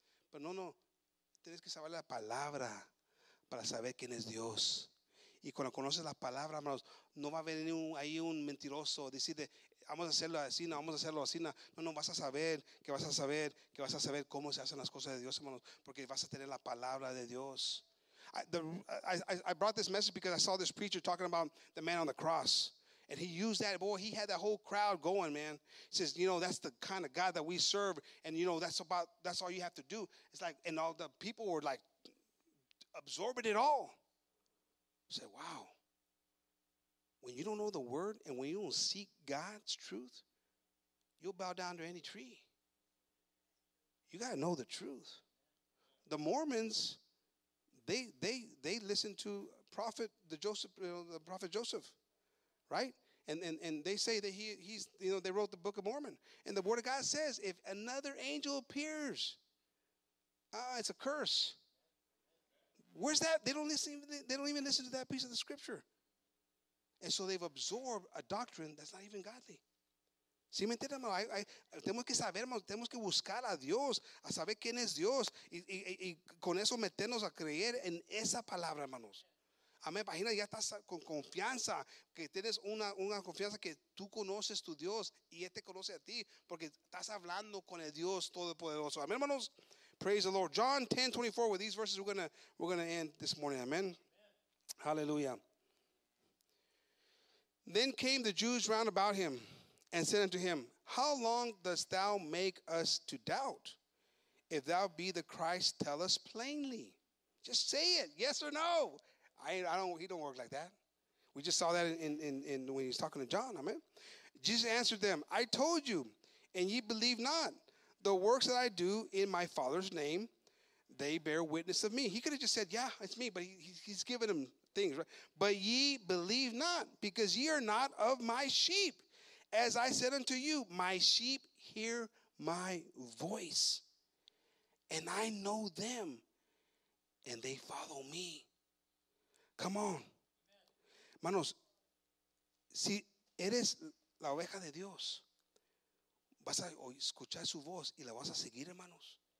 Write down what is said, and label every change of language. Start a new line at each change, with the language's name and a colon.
Spanish: Pero no, tienes que saber la palabra para saber quién es Dios. Y cuando conoces la palabra, hermanos, no va a venir ahí un mentiroso decirte, vamos a hacerlo así, no, vamos a hacerlo así. No, vas a saber, que vas a saber, que vas a saber cómo se hacen las cosas de Dios, hermanos, porque vas a tener la palabra de Dios.
English: I brought this message because I saw this preacher talking about the man on the cross. And he used that, boy, he had that whole crowd going, man. He says, you know, that's the kind of God that we serve. And, you know, that's all you have to do. It's like, and all the people were like absorbing it all. I said, wow. When you don't know the word and when you don't seek God's truth, you'll bow down to any tree. You got to know the truth. The Mormons, they listen to the prophet Joseph, right? And they say that he's, you know, they wrote the Book of Mormon. And the Word of God says, if another angel appears, it's a curse. Where's that? They don't even listen to that piece of the scripture. And so they've absorbed a doctrine that's not even godly.
Spanish: ¿Sí me entiendes, hermano? Tenemos que saber, hermano, tenemos que buscar a Dios, a saber quién es Dios, y con eso meternos a creer en esa palabra, hermanos. Amén, imagina, ya estás con confianza, que tienes una confianza que tú conoces tu Dios y Él te conoce a ti, porque estás hablando con el Dios Todopoderoso. Amén, hermanos.
English: Praise the Lord. John 10:24, with these verses we're gonna end this morning. Amén. Hallelujah. Then came the Jews round about him and said unto him, how long dost thou make us to doubt? If thou be the Christ, tell us plainly. Just say it, yes or no. He don't work like that. We just saw that in when he's talking to John. Amen. Jesus answered them, I told you, and ye believe not. The works that I do in my Father's name, they bear witness of me. He could have just said, yeah, it's me, but he's giving them things, right? But ye believe not, because ye are not of my sheep. As I said unto you, my sheep hear my voice, and I know them, and they follow me. Come on.
Spanish: Manos, si eres la oveja de Dios, vas a escuchar su voz y la vas a seguir, hermanos.